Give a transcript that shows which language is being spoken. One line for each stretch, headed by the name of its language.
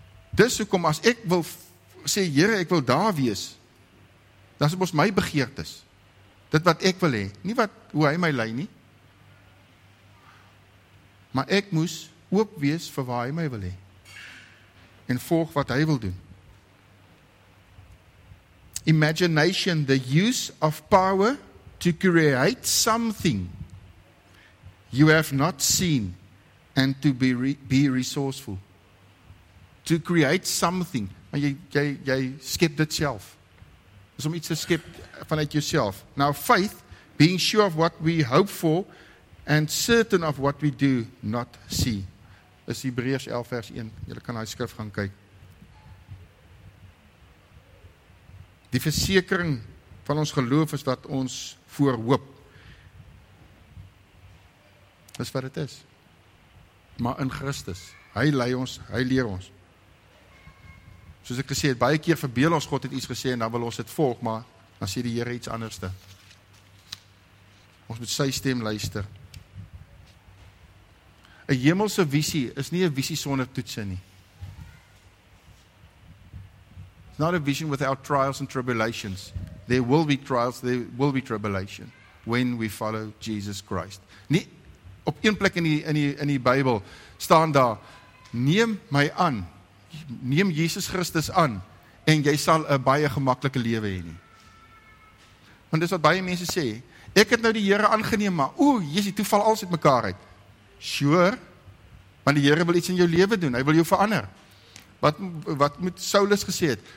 Afrikaans: Dis hoekom as ek wil sê, Here, ek wil daar wees, dan is mos my begeertes. Dit wat ek wil hê, nie wat hoe hy my lei nie. Maar ek moes oop wees vir waar hy my wil hê. En volg wat hy wil doen.
English: Imagination, the use of power to create something you have not seen and to be resourceful. To create something.
Afrikaans: Maar jy skep dit self. Is om iets te skep vanuit jouself.
English: Now faith, being sure of what we hope for and certain of what we do not see.
Afrikaans: Is Hebreërs 11 vers 1. Julle kan daai skrif gaan kyk. Die versekering van ons geloof is dat ons voor hoop. Dis wat dit is. Maar in Christus. Hy lei ons, hy leer ons. Soos ek gesê het, baie keer verbeel ons God het iets gesê en dan wil ons dit volg, maar dan sê die Here iets anderste. Ons moet sy stem luister. 'N Hemelse visie is nie 'n visie sonder toetse nie.
English: It's not a vision without trials and tribulations. There will be trials, there will be tribulation when we follow Jesus Christ.
Afrikaans: Nie op een plek in die Bybel staan daar: neem my aan. Neem Jesus Christus aan en jy sal 'n baie gemaklike lewe hê nie. Want dis wat baie mense sê, ek het nou die Here aangeneem, maar o, Jesus, toe val alles uit mekaar uit. Sure. Want die Here wil iets in jou lewe doen. Hy wil jou verander. Wat moet Saulus gesê het?